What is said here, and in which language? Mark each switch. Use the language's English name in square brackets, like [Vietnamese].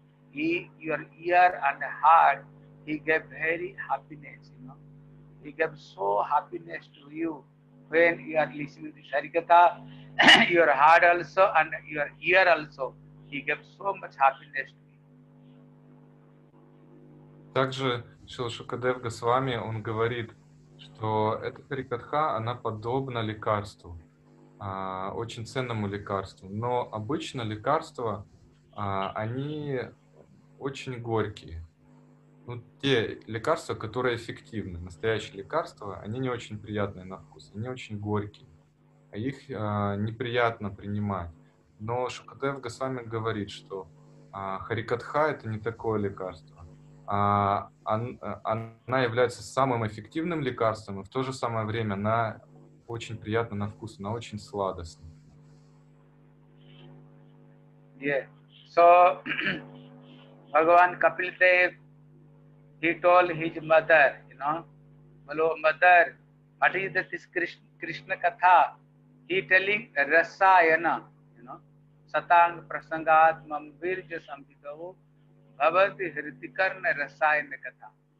[English] He, your ear and heart, he gave very happiness, you know. He gave so happiness to you when you are listening to Hari-katha, your heart also and your ear also. He gave so much happiness to you. [Russian] Также Шрила Шукадев Госвами, он говорит, что эта Хари-катха, она подобна лекарству, очень ценному лекарству. Но обычно лекарства, они очень горькие. Ну, те лекарства, которые эффективны, настоящие лекарства, они не очень приятные на вкус, они очень горькие, а их неприятно принимать. Но Шукадев Госвами говорит, что Хари-катха — это не такое лекарство. Она является самым эффективным лекарством, и в то же самое время она очень приятна на вкус, она очень сладостна. [English] Yeah. So, Bhagavan Kapiladev, he told his mother, you know, hello mother, what is this Krishna Katha? He telling [Sanskrit] Rasayana, [English] you know, [Sanskrit] Satang Prasangat Mambirja Samhitavu, Bhavati Hritikarna Rasayana Katha.